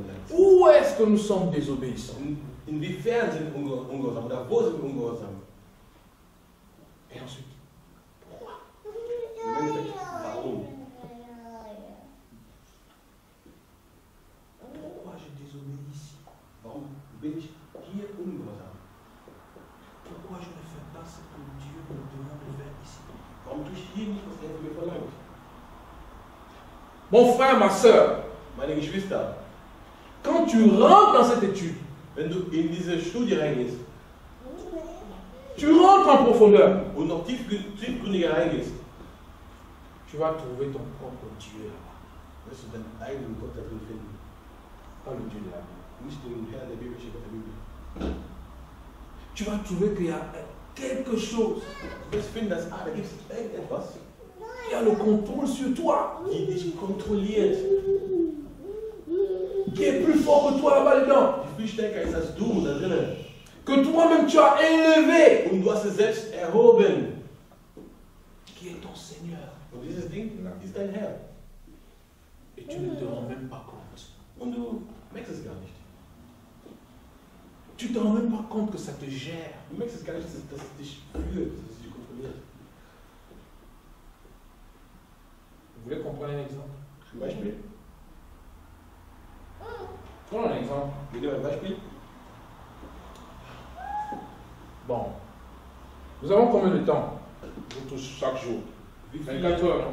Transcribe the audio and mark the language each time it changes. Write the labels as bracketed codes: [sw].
[fr] Où est-ce que nous sommes désobéissants? [de] Inwiefern sind wir ungehorsam? Oder wo sind wir ungehorsam? [fr] Et ensuite, pourquoi je désobéis ici? Pourquoi je ne fais pas ce que Dieu me demande de faire ici? Mon frère, ma soeur, [de] meine Geschwister, [fr] quand tu rentres dans cette étude, [de] wenn du in diese Studie reingehst, [fr] tu rentres en profondeur, [de] und noch tiefgründiger reingehst, [fr] tu vas trouver ton propre Dieu. [de] Wirst du deinen eigenen Gott darin finden? [fr] Pas le Dieu de la Bible. [de] Nicht den Herrn der biblischen Bibel. [fr] Tu vas trouver qu'il y a quelque chose. [de] Du wirst finden, dass alles gibt irgendetwas. [fr] Il y a le contrôle sur toi. Qui [de] dich kontrolliert. [fr] Qui est plus fort que toi là-bas dedans. [de] Die viel stärker ist als du da drin. [fr] Que toi-même tu as élevé. [de] Und du hast es selbst erhoben. [fr] Qui est ton Seigneur. [de] Und dieses Ding ist dein Herr. [fr] Et tu ne te rends même pas compte. [de] Und du merkst es gar nicht. [fr] Tu ne te rends même pas compte que ça te gère. [de] Du merkst es gar nicht, dass es dich fühlt, dass es dich kontrolliert. [fr] Vous voulez comprendre un exemple? Un exemple? Prenons un exemple. Vous voulez un exemple? Bon. Nous avons combien de temps? Nous tous chaque jour. 24 heures.